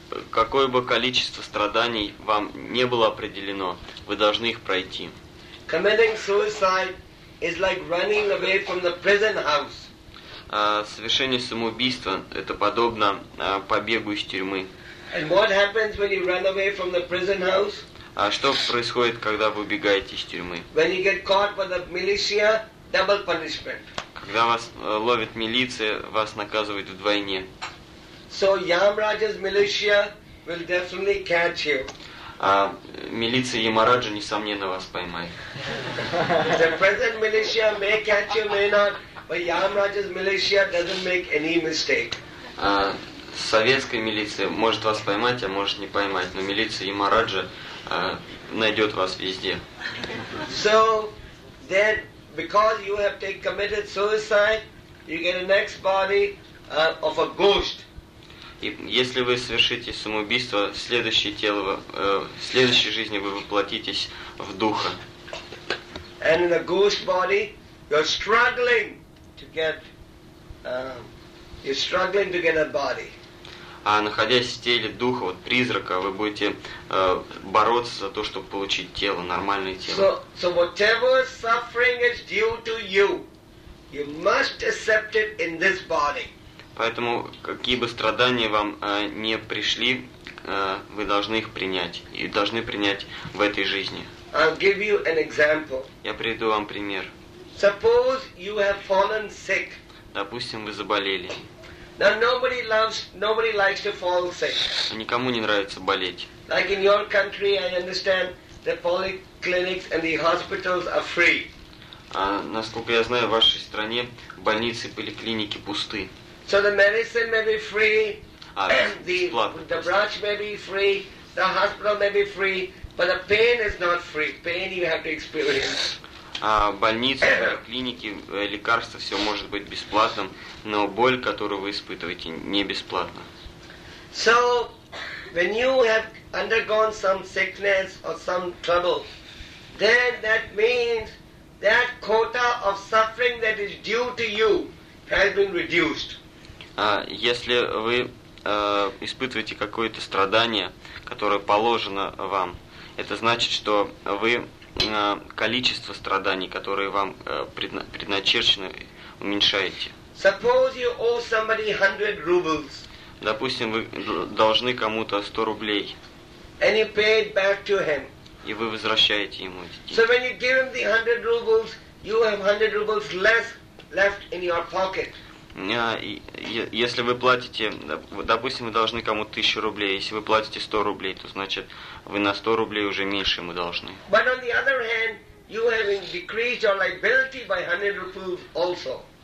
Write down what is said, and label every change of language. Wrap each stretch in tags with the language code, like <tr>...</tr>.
<ru>Какое бы количество страданий вам не было определено, вы должны их пройти.</ru> <en>Committing suicide is like running away from the prison house.</en> <ru>Совершение самоубийства – это подобно побегу из тюрьмы.</ru> <en>And what happens when you run away from the prison house?</en> <ru>А что происходит, когда вы убегаете из тюрьмы?</ru> <en>When you get caught by the militia, double punishment.</en> <ru>Когда вас ловит милиция, вас наказывают вдвойне.</ru> <en>So Yamraj's militia will definitely catch you.</en> <ru>Милиция Ямараджа несомненно вас поймает.</ru> <en>The present militia may catch you, may not, but Yamraj's militia doesn't make any mistake.</en> <ru>Советская милиция может вас поймать, а может не поймать, но милиция Ямараджа найдет вас везде.</ru> <en>So then, because you have committed suicide, you get a next body of a ghost.</en> <ru>И если вы совершите самоубийство, следующее тело, в следующей жизни вы воплотитесь в духа.</ru> <en>And in the ghost body, you're struggling to get a body.</en> <ru>А находясь в теле духа, вот призрака, вы будете бороться за то, чтобы получить тело, нормальное тело.</ru> <en>So whatever suffering is due to you, you must accept it in this body.</en> <ru>Поэтому какие бы страдания вам не пришли, вы должны их принять. И должны принять в этой жизни.</ru> <en>I'll give you an example.</en> <ru>Я приведу вам пример.</ru> <en>Suppose you have fallen sick.</en> <ru>Допустим, вы заболели.</ru> <en>Now nobody likes to fall sick.</en> <ru>Никому не нравится болеть.</ru> <en>Like in your country, I understand the polyclinics and the hospitals are free.</en> <ru>Насколько я знаю, в вашей стране больницы и поликлиники пусты.</ru> <en>So the medicine may be free, the branch may be free, the hospital may be free, but the pain is not free. Pain you have to experience.</en> <ru>Больницы, клиники, лекарства, все может быть бесплатным, но боль, которую вы испытываете, не бесплатна.</ru> <en>So when you have undergone some sickness or some trouble, then that means that quota of suffering that is due to you has been reduced.</en> <ru>Если вы испытываете какое-то страдание, которое положено вам, это значит, что вы количество страданий, которые вам предначерчены, уменьшаете.</ru> <en>Suppose you owe somebody 100 rubles.</en> <ru>Допустим, вы должны кому-то 100 рублей.</ru> <en>And you pay it back to him.</en> <ru>И вы возвращаете ему эти деньги.</ru> <en>So when you give him the 100 rubles, you have 100 rubles less left in your pocket.</en> <ru>Если вы платите, допустим, вы должны кому-то 1000 рублей, если вы платите 100 рублей, то значит вы на 100 рублей уже меньше ему должны.</ru> <en>But on the other hand, you have decreased your liability by 100 rubles also.</en>